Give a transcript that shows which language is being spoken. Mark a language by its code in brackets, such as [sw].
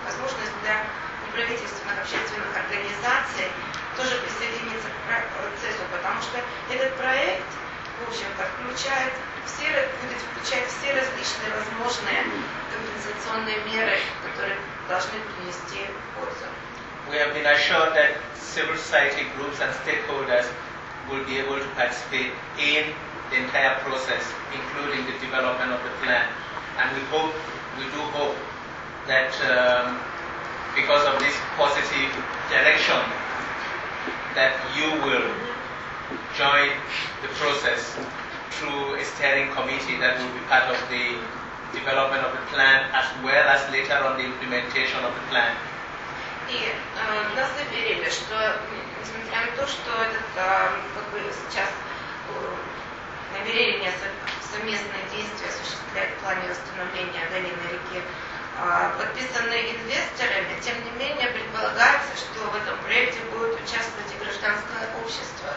[ru] Возможность для неправительственных общественных организаций тоже присоединиться к процессу, потому что этот проект, в общем-то, включает все, будет включать все различные возможные компенсационные меры, которые должны принести пользу. [en] We have been assured that civil society groups and stakeholders will be able to participate in the entire process, including the development of the plan. And we hope, we do hope, that because of this positive direction, that you will join the process through a steering committee that will be part of the development of the plan, as well as later on the implementation of the plan. [ru] И нас заверили, что несмотря на то, что этот как бы сейчас намерение совместное действие осуществлять в плане восстановления долины реки подписаны инвесторами, тем не менее предполагается, что в этом проекте будет участвовать и гражданское общество.